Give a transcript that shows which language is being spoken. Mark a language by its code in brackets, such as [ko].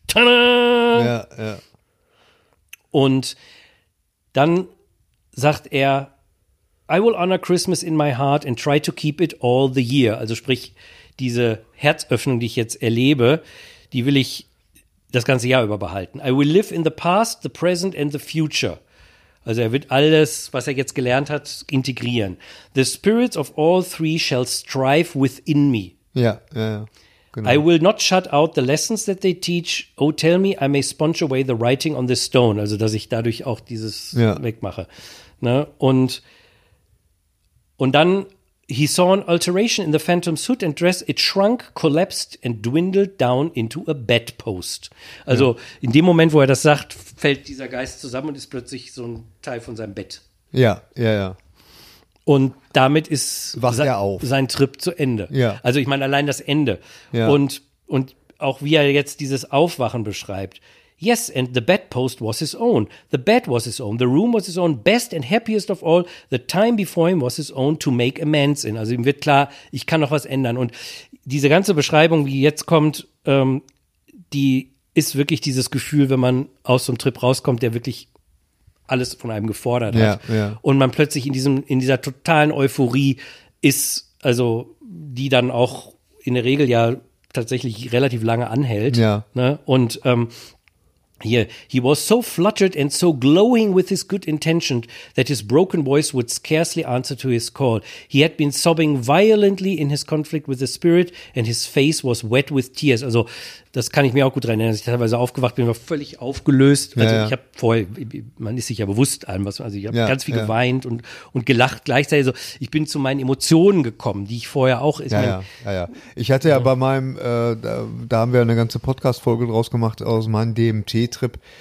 [de] Tada! Ja, ja. Und dann sagt er, [en] I will honor Christmas in my heart and try to keep it all the year. [de] Also sprich, diese Herzöffnung, die ich jetzt erlebe, die will ich das ganze Jahr über behalten. [en] I will live in the past, the present and the future. [de] Also er wird alles, was er jetzt gelernt hat, integrieren. [en] The spirits of all three shall strive within me. [de] Ja. Genau. [en] I will not shut out the lessons that they teach. Oh, tell me, I may sponge away the writing on this stone. [de] Also, dass ich dadurch auch dieses wegmache. Ne? Und dann, [en] he saw an alteration in the phantom's hood and dress. It shrunk, collapsed and dwindled down into a bedpost. [de] Also, in dem Moment, wo er das sagt, fällt dieser Geist zusammen und ist plötzlich so ein Teil von seinem Bett. Ja. Und damit ist sein Trip zu Ende. Ja. Also ich meine allein das Ende. Ja. Und auch wie er jetzt dieses Aufwachen beschreibt. [en] Yes, and the bedpost was his own. The bed was his own. The room was his own. Best and happiest of all, the time before him was his own to make amends in. [de] Also ihm wird klar, ich kann noch was ändern. Und diese ganze Beschreibung, wie jetzt kommt, die ist wirklich dieses Gefühl, wenn man aus so einem Trip rauskommt, der wirklich alles von einem gefordert hat. Ja. Und man plötzlich in dieser totalen Euphorie ist, also die dann auch in der Regel ja tatsächlich relativ lange anhält. Ja. Ne? Und hier, [en] he was so fluttered and so glowing with his good intention that his broken voice would scarcely answer to his call. He had been sobbing violently in his conflict with the spirit and his face was wet with tears. [de] Also, das kann ich mir auch gut erinnern, dass ich teilweise aufgewacht bin, war völlig aufgelöst. Also, ja. Ich habe vorher, man ist sich ja bewusst allem, was, also ich habe ganz viel geweint und gelacht gleichzeitig. So, ich bin zu meinen Emotionen gekommen, die ich vorher auch. Ich hatte ja bei meinem, da haben wir eine ganze Podcast-Folge draus gemacht aus meinem DMT-Trip.